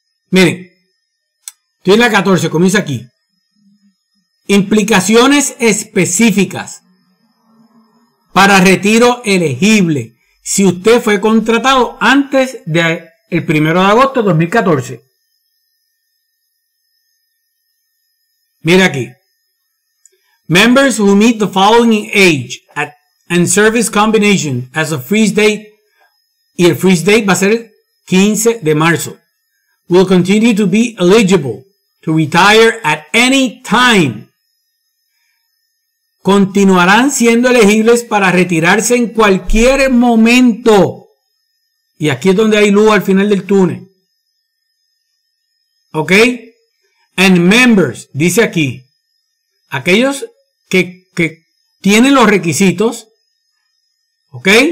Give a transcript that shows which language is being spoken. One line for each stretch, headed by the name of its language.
Spanish: Miren, estoy en la 14, comienza aquí. Implicaciones específicas para retiro elegible. Si usted fue contratado antes del 1 de agosto de 2014. Mira aquí.
English: Members who meet the following age and service combination as a freeze date,
Spanish: y el freeze date va a ser 15 de marzo,
English: will continue to be eligible to retire at any time.
Spanish: Continuarán siendo elegibles para retirarse en cualquier momento. Y aquí es donde hay luz al final del túnel. ¿Ok?
English: And members,
Spanish: dice aquí, aquellos que tienen los requisitos, ¿ok?